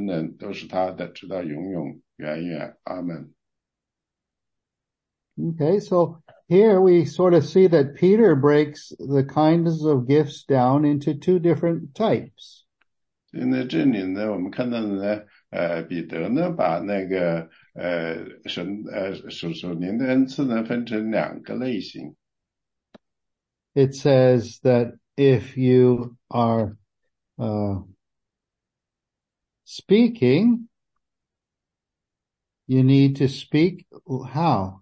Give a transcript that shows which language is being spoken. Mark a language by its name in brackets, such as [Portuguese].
[Chinese] 第十节说呢,个人要照所得的恩赐彼此服侍,做神百般恩典的好管家。第十一节说,若也讲道的,要按照神的圣言讲,若有服侍的,要按照神所赐的力量服侍,叫神在凡事上应耶稣基督的荣耀,颂赞全能都是他的,直到永永远远。阿们。 [English] Okay, so here we sort of see that Peter breaks the kinds of gifts down into two different types. [Chinese] 所以呢,这里呢,我们看到呢,彼得呢,把那个属灵的恩赐呢,分成两个类型。 [English] It says that if you are speaking, you need to speak how?